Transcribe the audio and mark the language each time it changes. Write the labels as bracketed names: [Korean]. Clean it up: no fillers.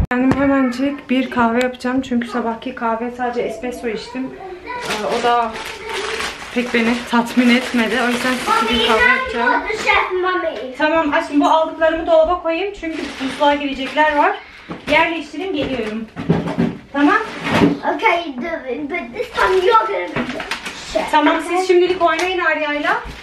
[Turkish] Kendim hemencik bir kahve yapacağım. Çünkü sabahki kahve sadece espresso içtim. O da pek beni tatmin etmedi. O yüzden sizi bir kahve yapacağım. Tamam aşkım, bu aldıklarımı dolaba koyayım. Çünkü buzluğa girecekler var. Yerleştireyim, geliyorum. Tamam? [English] Okay, doing, but this time you're going to be the chef. [Turkish] Tamam, okay. Siz şimdilik oynayın Arya'yla.